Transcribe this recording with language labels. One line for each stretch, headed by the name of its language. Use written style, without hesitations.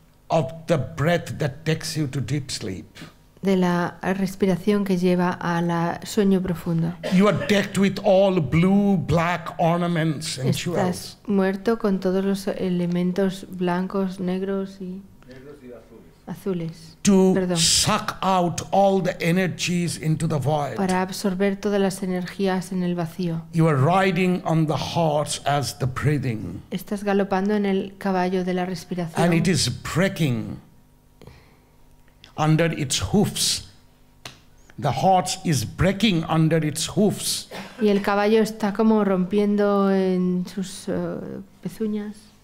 English: Of the breath that takes you to deep sleep.
Spanish: De la respiración que lleva a la sueño profundo.
English: You are decked with all blue, black ornaments and
Spanish: estás
English: jewels.
Spanish: Estás muerto con todos los elementos blancos, negros y azules.
English: To
Spanish: perdón.
English: Suck out all the energies into the void.
Spanish: Para absorber todas las energías en el vacío.
English: You are riding on the horse as the breathing.
Spanish: Estás galopando en el caballo de la respiración.
English: And it is breaking under its hoofs. The horse is breaking under its hoofs.
Spanish: Y el caballo está como rompiendo en sus pezuñas.